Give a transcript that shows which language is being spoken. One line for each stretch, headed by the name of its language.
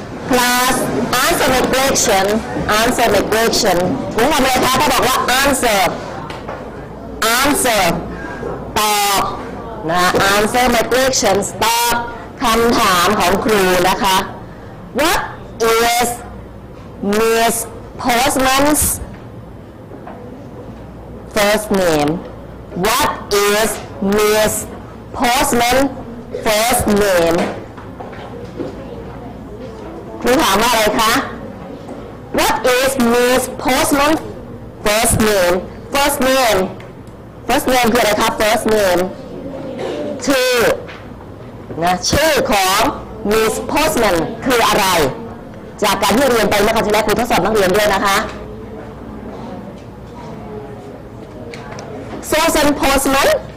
English: Class, answer my question. Answer my question.
Thai: คุณทำอะไรคะถ้าบอกว่า
English: answer answer
Thai: ตอบนะ
English: answer my question
Thai: ตอบคำถามของครูนะคะ
English: What is Miss Postman'sFirst name. What is Miss Postman's first name?
Thai: ครูถามว่าอะไรคะ
English: What is Miss Postman's first name? First name. First name
Thai: คืออะไรคะ First name. ชื่อนะชื่อของ Miss Postman คืออะไรจากการที่เรียนไปเมื่อครั้งที่แล้วครูทดสอบนักเรียนด้วยนะคะSusan Postman?